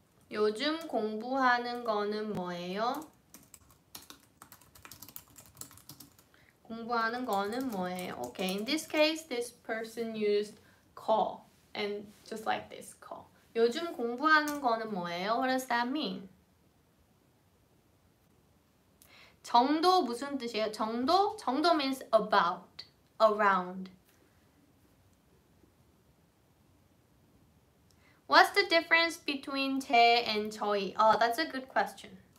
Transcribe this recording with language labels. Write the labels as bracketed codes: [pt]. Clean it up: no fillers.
[ko] 요즘 공부하는 거는 뭐예요? 공부하는 거는 뭐예요? [en] Okay, in this case, this person used 거 and just like this, 거. [ko] 요즘 공부하는 거는 뭐예요? [en] What does that mean? [ko] 정도 무슨 뜻이에요? 정도? 정도 [en] means about, around. What's the difference between 제 and 저희? Oh, that's a good question.